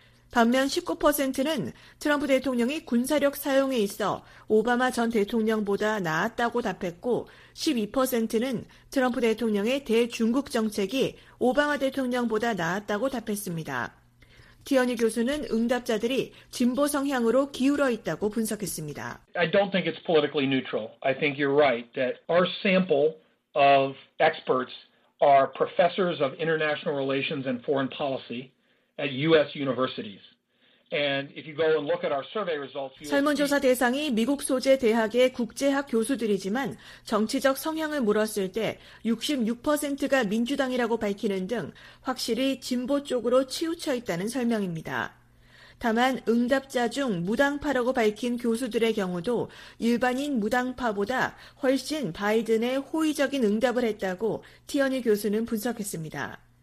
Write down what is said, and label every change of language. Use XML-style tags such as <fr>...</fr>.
<ko>반면 19%는 트럼프 대통령이 군사력 사용에 있어 오바마 전 대통령보다 나았다고 답했고 12%는 트럼프 대통령의 대중국 정책이 오바마 대통령보다 나았다고 답했습니다. 티어니 교수는 응답자들이 진보 성향으로 기울어 있다고 분석했습니다.</ko> <en>I don't think it's politically neutral. I think you're right that our sample of experts are professors of international relations and foreign policy at US universities. And if you go and look at our survey results,</en> <ko>설문조사 대상이 미국 소재 대학의 국제학 교수들이지만 정치적 성향을 물었을 때 66%가 민주당이라고 밝히는 등 확실히 진보 쪽으로 치우쳐 있다는 설명입니다. 다만 응답자 중 무당파라고 밝힌 교수들의 경우도 일반인 무당파보다 훨씬 바이든의 호의적인 응답을 했다고 티어니 교수는 분석했습니다.</ko>